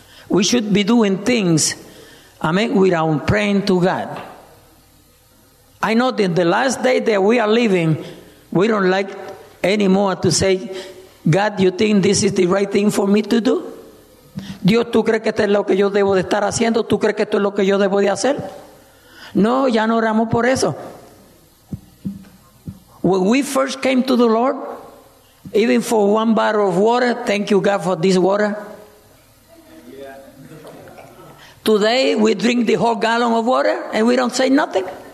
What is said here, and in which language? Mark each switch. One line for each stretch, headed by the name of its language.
English: We should be doing things, amen, without praying to God. I know that the last day that we are living, we don't like anymore to say, God, you think this is the right thing for me to do?
Spanish: Dios, ¿tú crees que esto es lo que yo debo de estar haciendo? ¿Tú crees que esto es lo que yo debo de hacer? No, ya no oramos por eso.
English: When we first came to the Lord, even for one bottle of water, thank you, God, for this water. Today, we drink the whole gallon of water and we don't say nothing.